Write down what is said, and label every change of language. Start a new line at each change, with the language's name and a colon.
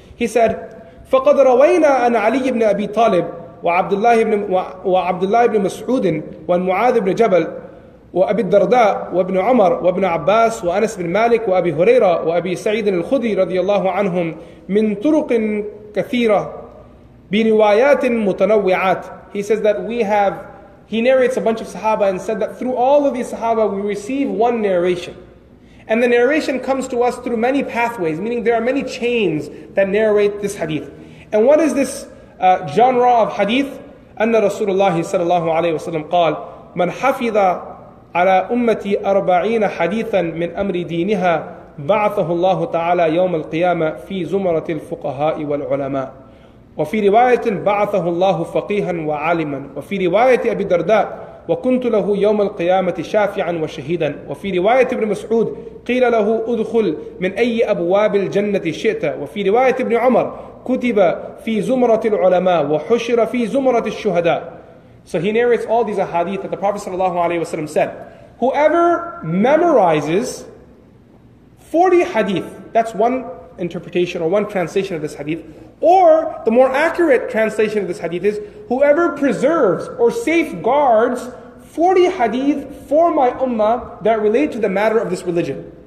English: He said,
Arabic: فَقَدْ رَوَيْنَا أَنْ عَلِيِّ بْنَ أَبِي طَالِبٍ وَعَبْدُ اللَّهِ بْنِ مَسْعُودٍ وَالْمُعَاذِ بْنِ جَبَلٍ وَأَبِي الدَّرْدَاءِ وَابْنِ عُمَرَ وَابْنِ عَبَّاسٍ وَأَنَسِ بْنِ مَالِكٍ وَأَبِي هُرَيْرَةَ وَأَبِي سَعِيدٍ الْخُدْرِيِّ رَضِيَ اللَّهُ عَنْهُمْ مِنْ طُرُقٍ كَثِيرَةٍ بِرِوَايَاتٍ مُتَنَوِّعَاتٍ.
English: He says that he narrates a bunch of Sahaba and said that through all of these Sahaba we receive one narration. And the narration comes to us through many pathways, meaning there are many chains that narrate this hadith. And what is this genre of hadith?
Arabic: أن رسول الله صلى الله عليه وسلم قال من حفظ على أمتي 40 حديثا من أمر دينها بعثه الله تعالى يوم القيامة في زمرة الفقهاء والعلماء وفي رواية بعثه الله فقيها وعالما وفي رواية أبي الدرداء وكنت له يوم القيامة شافعا وشهيدا وفي رواية ابن مسعود قيل له ادخل من أي أبواب الجنة شئت وفي رواية ابن عمر كتب في زمرة العلماء وحشر في زمرة الشهداء.
English: So he narrates all these ahadith that the Prophet sallallahu alaihi wasallam said. Whoever memorizes 40 hadith, that's one interpretation or one translation of this hadith. Or the more accurate translation of this hadith is, whoever preserves or safeguards 40 hadith for my ummah that relate to the matter of this religion.